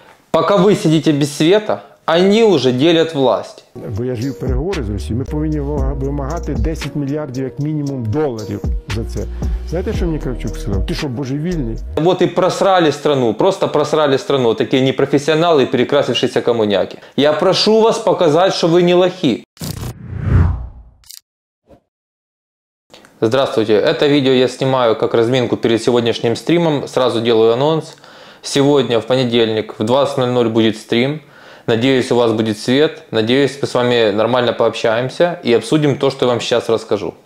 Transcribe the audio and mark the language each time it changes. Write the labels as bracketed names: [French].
[Russian] Пока вы сидите без света, они уже делят власть. [Ukrainian] Бо я ж вів переговори з Росією. Ми повинні вимагати 10 мільярдів, як мінімум, доларів за це. Знаєте, що мені Кравчук сказав? Ти що, божевільний? От і [Russian] просрали страну, просто просрали страну. [Ukrainian] Такі непрофесіонали, перекрасившися комуняки. Я прошу вас показати, що ви не лохи. [Russian] Здравствуйте, это видео я снимаю как разминку перед сегодняшним стримом, сразу делаю анонс. Сегодня, в понедельник, в 20:00 будет стрим, надеюсь, у вас будет свет, надеюсь, мы с вами нормально пообщаемся и обсудим то, что я вам сейчас расскажу.